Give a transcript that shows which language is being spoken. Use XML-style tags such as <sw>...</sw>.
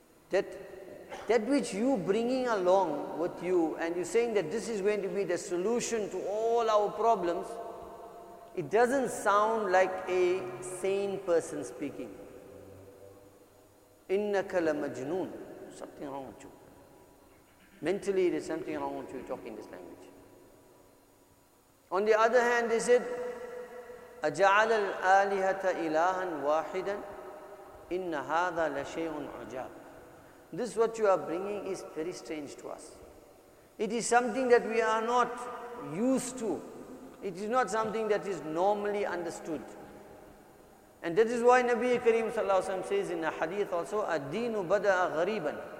<en>That which you bringing along with you and you saying that this is going to be the solution to all our problems, it doesn't sound like a sane person speaking.</en> <ar>إِنَّكَ لَمَجْنُونَ.</ar> <en>Something wrong with you. Mentally, there's something wrong with you talking this language. On the other hand, they said,</en> <ar>أَجَعَلَ الْآلِهَةَ إِلَهًا وَاحِدًا إِنَّ هَذَا لَشَيْءٌ عُجَابٌ.</ar> <en>This what you are bringing is very strange to us. It is something that we are not used to. It is not something that is normally understood. And that is why Nabi Kareem sallallahu alaihi wasallam says in a hadith also,</en> <ar>Ad-deenu bada'a ghariban.</ar>